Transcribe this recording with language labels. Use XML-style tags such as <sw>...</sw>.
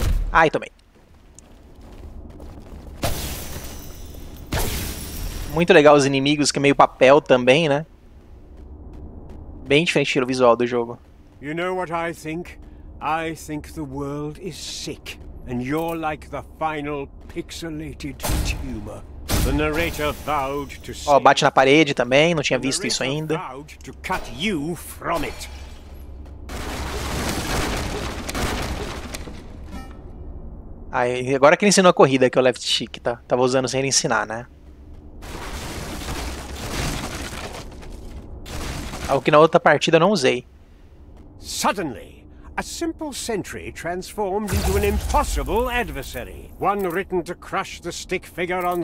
<pt>Ai, tomei. Muito legal os inimigos, que é meio papel também, né? Bem diferente do visual do jogo.</pt> <en>You know what I think? I think the world is sick, and you're like the final pixelated tumor. The narrator vowed to save.</en> <pt>Ó, bate na parede também, não tinha visto isso ainda.</pt> <en>Vowed to cut you from it.</en> <pt>Aí, agora que ele ensinou a corrida, que é o left stick, tá? Tava usando sem ele ensinar, né? Algo que na outra partida eu não usei.</pt> <en>Suddenly, a simple sentry transformed into an impossible adversary, one written to crush the stick figure on</en>